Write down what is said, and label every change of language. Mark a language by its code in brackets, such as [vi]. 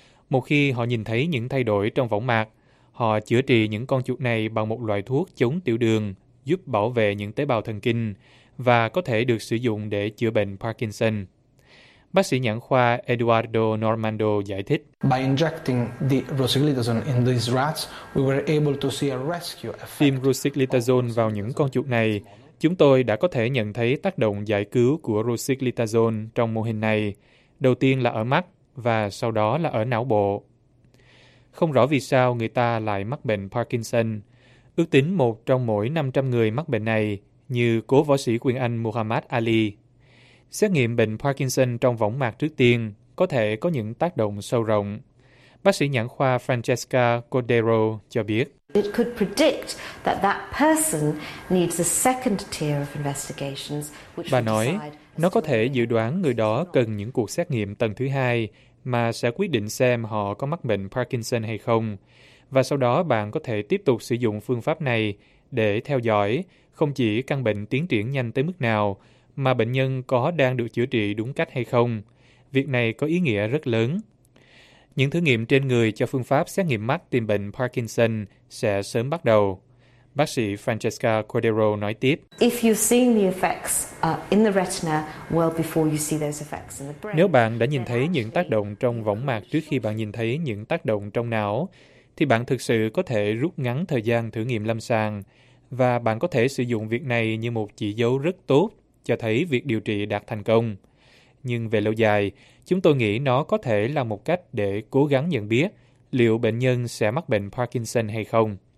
[vi] Một khi họ nhìn thấy những thay đổi trong võng mạc, họ chữa trị những con chuột này bằng một loại thuốc chống tiểu đường, giúp bảo vệ những tế bào thần kinh và có thể được sử dụng để chữa bệnh Parkinson. Bác sĩ nhãn khoa Eduardo Normando giải thích. [en] By injecting the rosiglitazone in these rats, we were able to see a rescue effect. [vi] Tiêm rosiglitazone vào những con chuột này, chúng tôi đã có thể nhận thấy tác động giải cứu của rosiglitazone trong mô hình này, đầu tiên là ở mắt và sau đó là ở não bộ. Không rõ vì sao người ta lại mắc bệnh Parkinson. Ước tính một trong mỗi 500 người mắc bệnh này, như cố võ sĩ quyền Anh Muhammad Ali. Xét nghiệm bệnh Parkinson trong võng mạc trước tiên có thể có những tác động sâu rộng. Bác sĩ nhãn khoa Francesca Cordero cho biết. [en] It could predict that that person needs a second tier of investigations. [vi] Bà nói, nó có thể dự đoán người đó cần những cuộc xét nghiệm tầng thứ hai mà sẽ quyết định xem họ có mắc bệnh Parkinson hay không. Và sau đó bạn có thể tiếp tục sử dụng phương pháp này để theo dõi không chỉ căn bệnh tiến triển nhanh tới mức nào, mà bệnh nhân có đang được chữa trị đúng cách hay không. Việc này có ý nghĩa rất lớn. Những thử nghiệm trên người cho phương pháp xét nghiệm mắt tìm bệnh Parkinson sẽ sớm bắt đầu. Bác sĩ Francesca Cordero nói tiếp. [en] If you've seen the effects in the retina well before you see those effects in the brain. [vi] Nếu bạn đã nhìn thấy những tác động trong võng mạc trước khi bạn nhìn thấy những tác động trong não, thì bạn thực sự có thể rút ngắn thời gian thử nghiệm lâm sàng và bạn có thể sử dụng việc này như một chỉ dấu rất tốt cho thấy việc điều trị đạt thành công. Nhưng về lâu dài, chúng tôi nghĩ nó có thể là một cách để cố gắng nhận biết liệu bệnh nhân sẽ mắc bệnh Parkinson hay không.